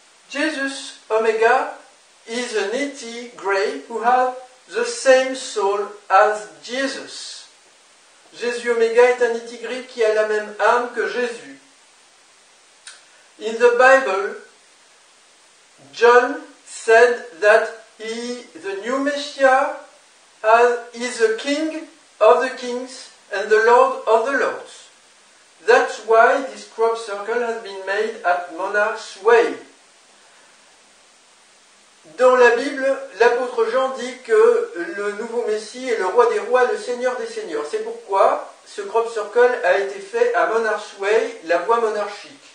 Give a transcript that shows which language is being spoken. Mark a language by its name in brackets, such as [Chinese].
[English] Jesus Omega is an ET grey who have the same soul as Jesus. [French] Jésus Omega est un ET gris qui a la même âme que Jésus. [English] In the Bible, John said that he, the new Messiah, is a king of the kings and the Lord of the Lords. That's why this crop circle has been made at Monarch's Way. [French] Dans la Bible, l'apôtre Jean dit que le nouveau Messie est le roi des rois, le seigneur des seigneurs. C'est pourquoi ce crop circle a été fait à Monarch's Way, la voie monarchique.